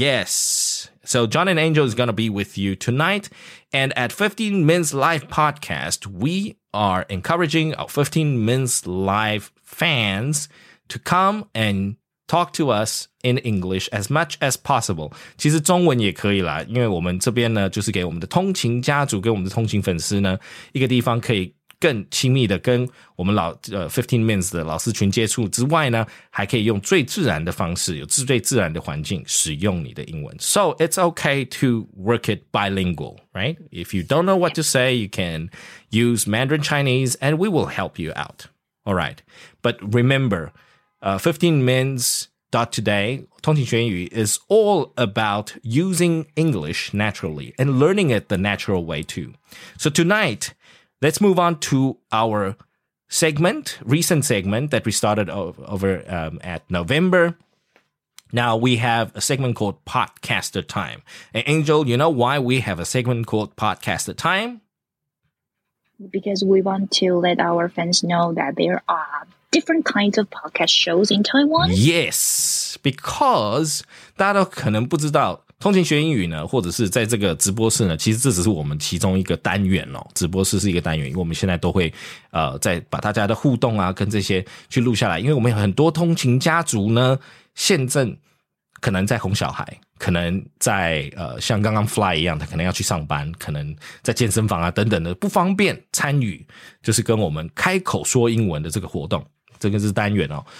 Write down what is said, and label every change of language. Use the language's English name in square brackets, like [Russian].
[English] Yes. So John and Angel is going to be with you tonight. And at 15 Minutes Live Podcast, we are encouraging our 15 Minutes Live fans to come and talk to us in English as much as possible. [Chinese] 其实中文也可以啦，因为我们这边呢，就是给我们的通勤家族跟我们的通勤粉丝呢，一个地方可以更亲密的跟我们老15 Minutes 的老师群接触之外呢，还可以用最自然的方式，有最自然的环境使用你的英文。 [English] So it's okay to work it bilingual, right? If you don't know what to say, you can use Mandarin Chinese and we will help you out. Alright, but rememberfifteenmins.today, 通勤学英语 is all about using English naturally and learning it the natural way too. So tonight, let's move on to our segment, recent segment that we started over at November. Now we have a segment called Podcaster Time. Angel, you know why we have a segment called Podcaster Time? Because we want to let our fans know that there are different kinds of podcast shows in Taiwan. Yes, because [Chinese] 大家都可能不知道，通勤学英语呢，或者是在这个直播室呢，其实这只是我们其中一个单元哦。直播室是一个单元，我们现在都会在把大家的互动啊，跟这些去录下来，因为我们有很多通勤家族呢，现正可能在哄小孩，可能在像刚刚 Fly 一样，他可能要去上班，可能在健身房啊等等的不方便参与，就是跟我们开口说英文的这个活动，这个是单元哦。